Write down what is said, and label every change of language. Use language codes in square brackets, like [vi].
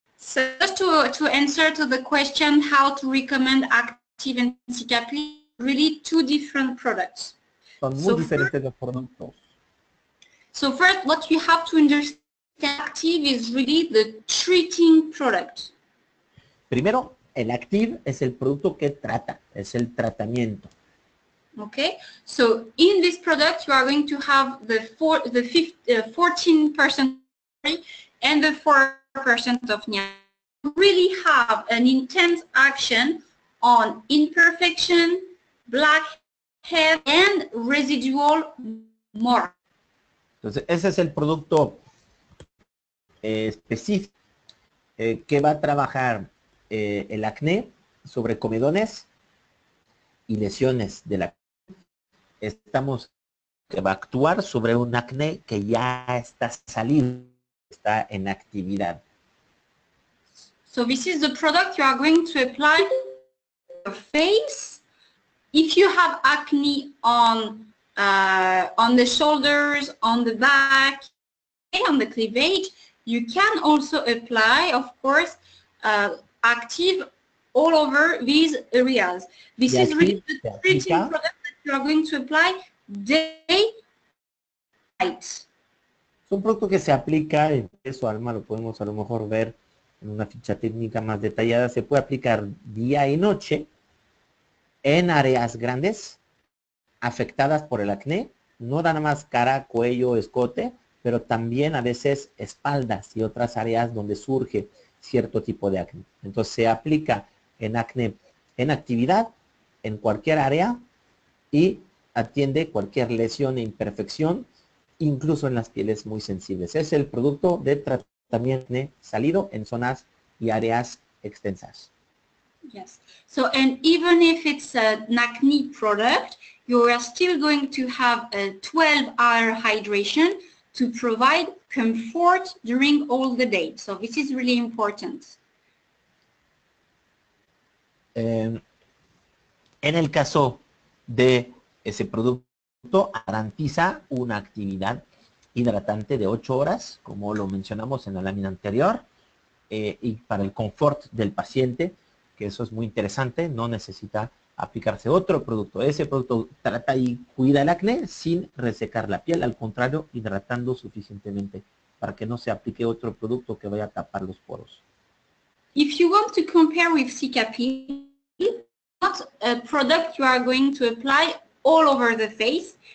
[en] So just to answer to the question, how to recommend active anti-capping, really two different products. [es] Son muy diferentes los productos. [en] So first, what you have to understand, active is really the treating product. [es] Primero, el active es el producto que trata, es el tratamiento. [en] Okay, so in this product you are going to have the 14% and the 4% of niacin. Really have an intense action on imperfection, blackhead and residual mark. [es] Entonces ese es el producto específico que va a trabajar el acné sobre comedones y lesiones de la. Estamos que va a actuar sobre un acné que ya está saliendo, está en actividad. [en] So this is the product you are going to apply on your face. If you have acne on the shoulders, on the back, on the cleavage, you can also apply, of course, active all over these areas. This is really the treating product are going to apply day night. [es] Es un producto que se aplica, eso Alma lo podemos a lo mejor ver en una ficha técnica más detallada, se puede aplicar día y noche en áreas grandes afectadas por el acné, no nada más cara, cuello, escote, pero también a veces espaldas y otras áreas donde surge cierto tipo de acné. Entonces se aplica en acné en actividad, en cualquier área, y atiende cualquier lesión e imperfección, incluso en las pieles muy sensibles. Es el producto de tratamiento salido en zonas y áreas extensas. [en] Yes. So, and even if it's an acne product, you are still going to have a 12-hour hydration to provide comfort during all the day. So, this is really important. [es] En el caso de ese producto garantiza una actividad hidratante de 8 horas, como lo mencionamos en la lámina anterior, y para el confort del paciente, que eso es muy interesante, no necesita aplicarse otro producto. Ese producto trata y cuida el acné sin resecar la piel, al contrario, hidratando suficientemente para que no se aplique otro producto que vaya a tapar los poros. [en] If you want to compare with Cicapil, not a product you are going to apply all over the face.